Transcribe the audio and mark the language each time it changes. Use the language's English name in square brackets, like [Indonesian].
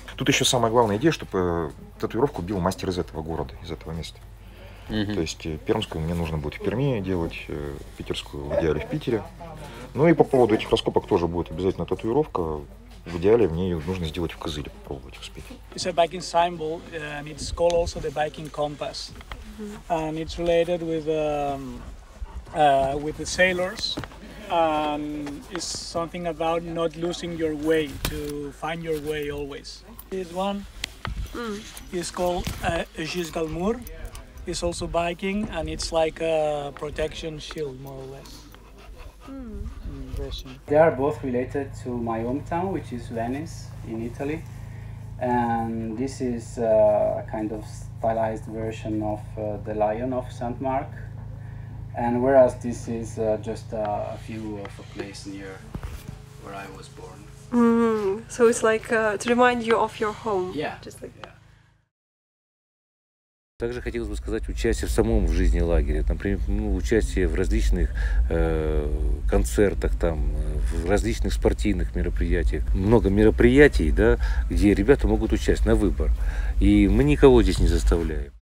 [Russian] Тут еще самая главная идея, чтобы татуировку бил мастер из этого города, из этого места. То есть пермскую мне нужно будет в Перми делать, питерскую в идеале в Питере. Ну и по поводу этих раскопок тоже будет обязательно татуировка. В идеале мне ее нужно сделать в Кызыле, попробовать успеть. [English] It's a biking symbol, and it's called also the biking compass. And it's related with the sailors. And it's something about not losing your way, to find your way always. This one is called Gis Galmur. It's also biking, and it's like a protection shield, more or less. They are both related to my hometown, which is Venice in Italy. And this is a kind of stylized version of the Lion of St. Mark. And whereas this is just a view of a place near where I was born. So it's like to remind you of your home. [Russian] Также хотелось бы сказать участие в самом в жизни лагеря, например, ну, участие в различных концертах, там, в различных спортивных мероприятиях. Много мероприятий, да, где ребята могут участвовать на выбор. И мы никого здесь не заставляем.